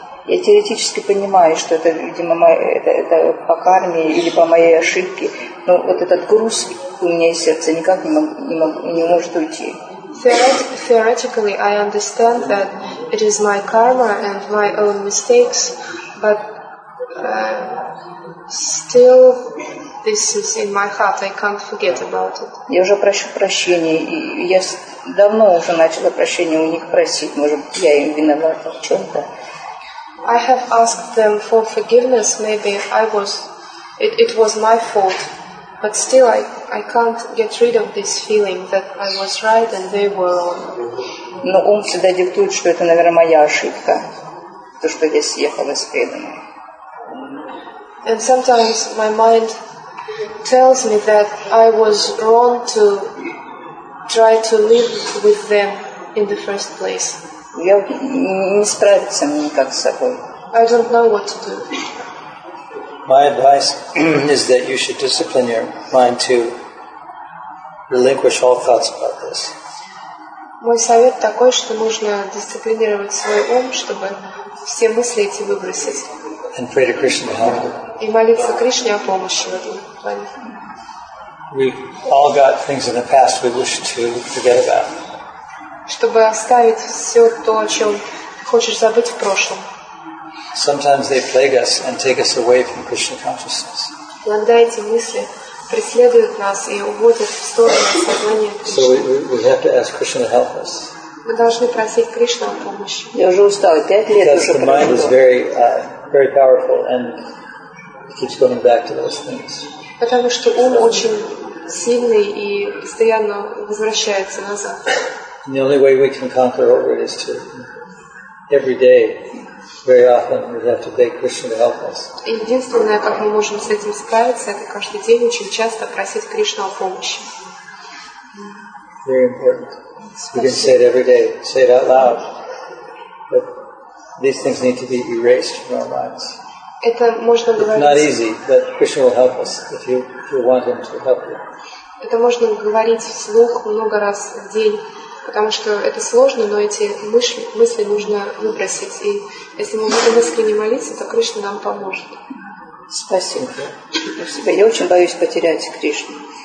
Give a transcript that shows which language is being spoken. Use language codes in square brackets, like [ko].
[ru] Я теоретически понимаю, что это, видимо, это по карме или по моей ошибке, но вот этот груз у меня из сердца никак не может уйти. [en] Theoretically, I understand that it is my karma and my own mistakes, but still, this is in my heart. I can't forget about it. [ru] Я уже прошу прощения. Я давно уже начала прощения у них просить. Может, я им виновата в чем-то? [en] I have asked them for forgiveness. Maybe I was. It was my fault. But still, I can't get rid of this feeling that I was right and they were wrong. [ru] Но ум всегда диктует, что это, наверное, моя ошибка, то, что я съехала с преданной. [en] And sometimes my mind tells me that I was wrong to try to live with them in the first place. [ru] Я не справиться мне никак с собой. [en] I don't know what to do. My advice is that you should discipline your mind to relinquish all thoughts about this. [ru] Мой совет такой, что нужно дисциплинировать свой ум, чтобы все мысли эти выбросить. [en] And pray to Krishna to help. [ru] И молиться Кришне о помощи в этом плане. [en] We all got things in the past we wish to forget about. [ru] Чтобы оставить все то, о чем хочешь забыть в прошлом. [en] Sometimes they plague us and take us away from Krishna consciousness. [ru] Иногда эти мысли преследуют нас и уводят в сторону сознания Кришны. [en] So we have to ask Krishna to help us. [ru] Мы должны просить Кришну о помощи. Я уже устала. Пять лет уже прошло. [en] Because the mind is very, very powerful and it keeps going back to those things. [ru] Потому что ум очень сильный и постоянно возвращается назад. [en] And the only way we can conquer over it is to every day. Very often we have to beg Krishna to help us. [ru] Единственное, как мы можем с этим справиться, это каждый день очень часто просить Кришну о помощи. [en] Very important. We can say it every day, say it out loud. But these things need to be erased from our minds. [ru] Это можно говорить. [en] It's not easy, but Krishna will help us if you want Him to help you. [ru] Это можно говорить вслух много раз в день. Потому что это сложно, но эти мысли нужно выбросить. И если мы будем искренне молиться, то Кришна нам поможет. Спасибо. Я очень боюсь потерять Кришну.